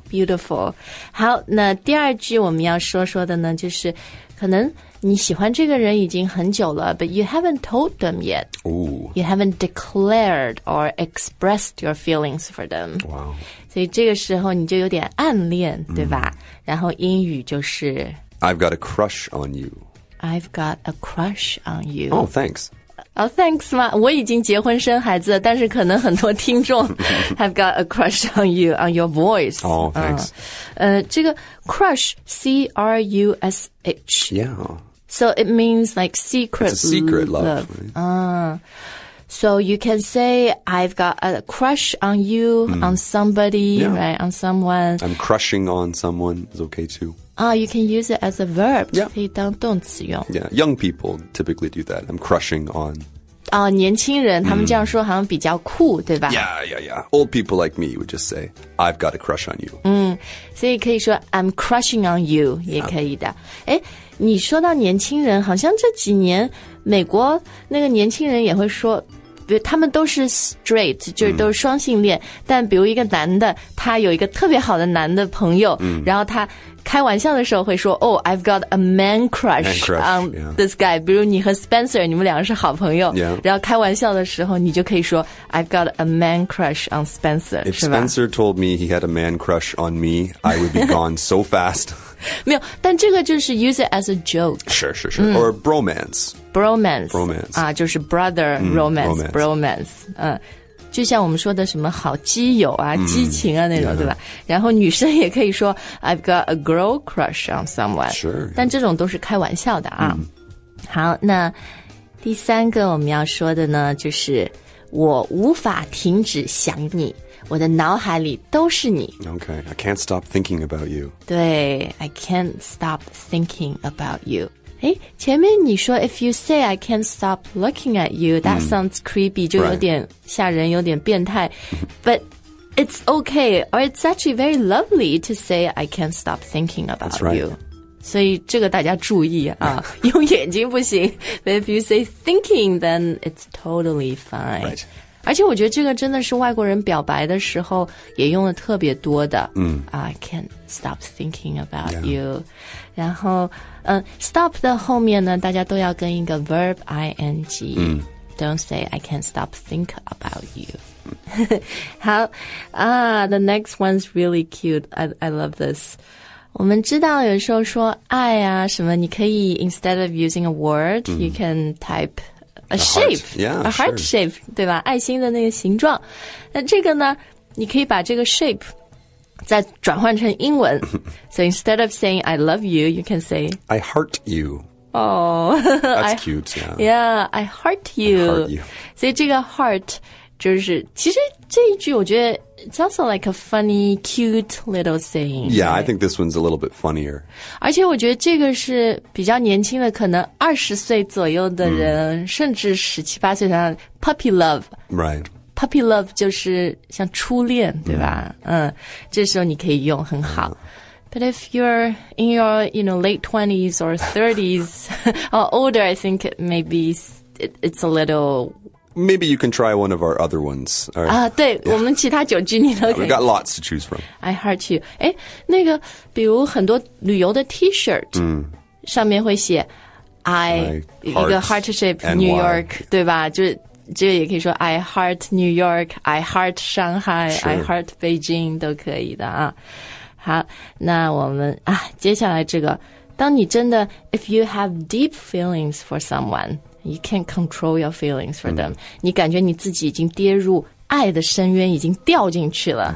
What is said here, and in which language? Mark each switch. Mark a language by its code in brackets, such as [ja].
[zh] Beautiful 好那第二句我们要说说的呢就是可能你喜欢这个人已经很久了 [en] But you haven't told them yet、 Ooh. You haven't declared or expressed your feelings for them Wow [zh] 所以这个时候你就有点暗恋对吧、mm. 然后英语就是 [en] I've got a crush on you. I've got a crush on you. Oh, thanks. Oh, thanks, [zh] 嘛我已经结婚生孩子了但是可能很多听众 [en] I've got a crush on you, on your voice. Oh, thanks. [zh] 这个 crush, C-R-U-S-H. [en] Yeah. So it means like secret love. It's a secret love. Love.、Right? So you can say, I've got a crush on you,、mm. on somebody,、 yeah. right, on someone. I'm crushing on someone is okay too. You can use it as a verb. Yeah. [zh] 可以当动词用。 [en] Yeah, young people typically do that. I'm crushing on. [zh] 年轻人、mm. 他们这样说好像比较酷对吧 [en] Yeah, yeah, yeah. Old people like me would just say, I've got a crush on you.、 Mm. [zh] 所以可以说 [en] I'm crushing on you, [zh] 也可以的。 [en] Yeah. [zh] 你说到年轻人好像这几年美国那个年轻人也会说他们都是 straight 就是都是双性恋、mm. 但比如一个男的他有一个特别好的男的朋友、 mm. 然后他开玩笑的时候会说 [en] Oh, I've got a man crush, man crush on this guy、 yeah. [zh] 比如你和 Spencer 你们两个是好朋友、 [en] yeah. [zh] 然后开玩笑的时候你就可以说 [en] I've got a man crush on Spencer If Spencer told me he had a man crush on me I would be gone so fast [zh] 没有但这个就是 [en] use it as a joke Sure, sure, sure、mm. Or bromance Bromance, bromance. [zh] 就是 brother romance,、mm, [en] romance. bromance、 [zh] 就像我们说的什么好基友啊、激情啊那种、对吧？然后女生也可以说 [en] I've got a girl crush on someone. Sure. [zh] 但这种都是开玩笑的啊。好，那第三个我们要说的呢，就是我无法停止想你，我的脑海里都是你。 [en] Okay, I can't stop thinking about you. 对 ，I can't stop thinking about you. [zh] 哎，前面你说 [en] If you say I can't stop looking at you, that sounds creepy, [zh] 就有点吓人，有点变态。 [en] But it's okay, or it's actually very lovely to say I can't stop thinking about you. [zh] 所以这个大家注意啊，用眼睛不行。 [en] But if you say thinking, then it's totally fine. Right. [zh] 而且我觉得这个真的是外国人表白的时候也用的特别多的。 [en] I can't stop thinking about you. [zh] 然后stop 的后面呢大家都要跟一个 verb ing. [en] Don't say I can't stop think about you. 好啊、the next one's really cute. I love this. [zh] 我们知道有时候说爱啊什么你可以 [en] instead of using a word,you can typeA shape, a heart [zh] shape, 对吧？爱心的那个形状。那这个呢，你可以把这个 shape 再转换成英文。 [en] So instead of saying I love you, you can say I heart you. Oh, that's cute. Yeah, I heart you. I heart you. [zh] 所以这个 heart 就是，其实这一句我觉得 [en] it's also like a funny, cute little saying. Yeah,、right? I think this one's a little bit funnier. [zh] 而且我觉得这个是比较年轻的，可能二十岁左右的人，甚至十七八岁的 puppy love. [en] Right. [zh] Puppy love 就是像初恋，对吧？这时候你可以用很好。 [en] But if you're in your, you know, late 20s or 30s or older, I think maybe it's a little... Maybe you can try one of our other ones. 啊、right. [zh] 对、yeah. 我们其他九句你都可以。 [en] We've got lots to choose from. I heart you. [zh] 诶那个比如很多旅游的 T-shirt、上面会写 I 一个 heart shape New York, 对吧就这个也可以说 [en] I heart New York, I heart Shanghai,、 sure. I heart Beijing, [zh] 都可以的啊。好那我们啊接下来这个当你真的 [en] if you have deep feelings for someone,You can't control your feelings for them.、 [zh] 你感觉你自己已经跌入爱的深渊，已经掉进去了。